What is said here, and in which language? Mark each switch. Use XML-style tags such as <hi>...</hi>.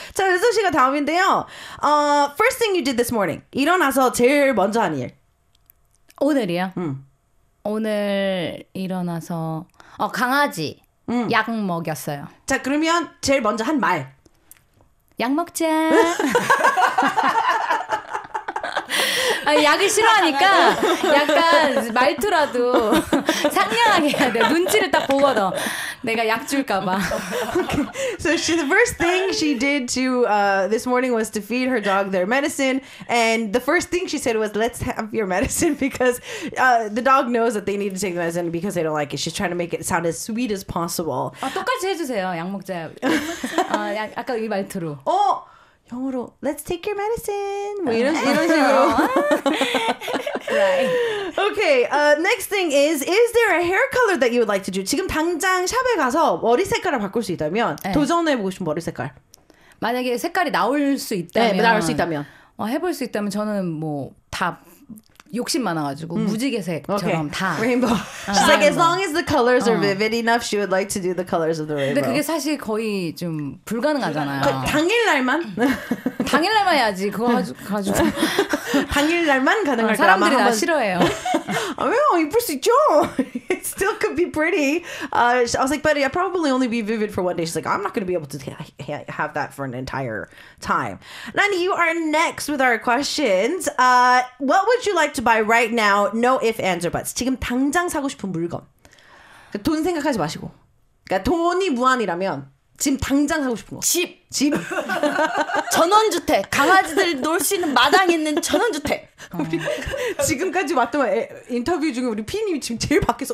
<ko>자, 그래서 제가 다음인데요.</ko> <en>First thing you did this morning,</en> <ko>일어나서 제일 먼저 한 일. 오늘이요? 오늘 일어나서 강아지 약 먹였어요. 자, 그러면 제일 먼저 한 말. 약 먹자. 아니, 약을 싫어하니까 약간 말투라도 상냥하게 해야 돼. 눈치를 딱 보거든. 내가 약 줄까 봐.</ko> <en>Okay. So she, the first thing she did to this morning was to feed her dog their medicine. And the first thing she said was, let's have your medicine because the dog knows that they need to take the medicine because they don't like it. She's trying to make it sound as sweet as possible.</en> <ko>아, 똑같이 해주세요. 약 먹자. 아까 이 말투로. 어? 영어로</ko> <en>Let's take your medicine.</en> <ko>뭐 이런 식으로.</ko> <en>Right. Okay. Next thing is there a hair color that you would like to do?</en> <ko>지금 당장 샵에 가서 머리 색깔을 바꿀 수 있다면 네. 도전해 보고 싶은 머리 색깔. 만약에 색깔이 나올 수 있다면. 네, 나올 수 있다면. 해볼 수 있다면 저는 뭐 다. 욕심 많아가지고 무지개색처럼 okay. 다 레인보우.</ko> <en>She's like as long as the colors are vivid enough, she would like to do the colors of the rainbow.</en> <ko>근데 그게 사실 거의 좀 불가능하잖아요. 당일날만? 당일날만 해야지 그거 가지고. 당일날만 가능할 거야. 사람들이 나 싫어해요. 왜요? 이쁠 수 있죠.</ko> <en>It still could be pretty. I was like, but I'll probably only be vivid for one day. She's like, I'm not going to be able to have that for an entire time. Nani, you are next with our questions. What would you like to buy right now? No ifs, ands, or buts.</en> <ko>지금 당장 사고 싶은 물건. 돈 생각하지 마시고. 돈이 무한이라면 지금 당장 사고 싶은 거. 집. 집. 전원주택. 강아지들 놀 수 있는 마당에 있는 전원주택. 우리 지금까지 왔던 인터뷰 중에 우리 피님이 지금 제일 밖에서</ko>